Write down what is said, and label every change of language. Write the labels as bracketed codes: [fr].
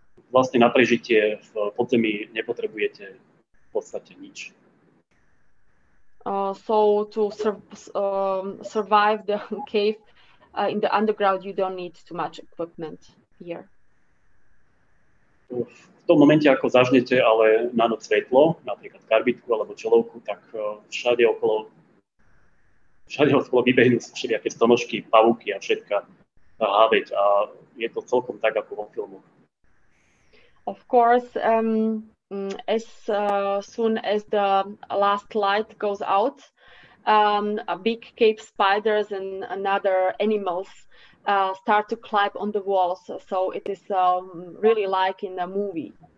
[sk] Vlastne na prežitie v podzemí nepotrebujete v podstate nič. [en] So to survive the cave in the underground, you don't need too much equipment here. [sk] V tom momente, ako zažnete ale na noc svetlo, napríklad karbitku alebo čelovku, tak všade okolo vybehnú všelijaké stonožky, pavúky a všetka háveť a je to celkom tak, ako vo filmu. [en] Of course, As soon as the last light goes out, a big cave spiders and other animals start to climb on the walls. So it is really like in a movie.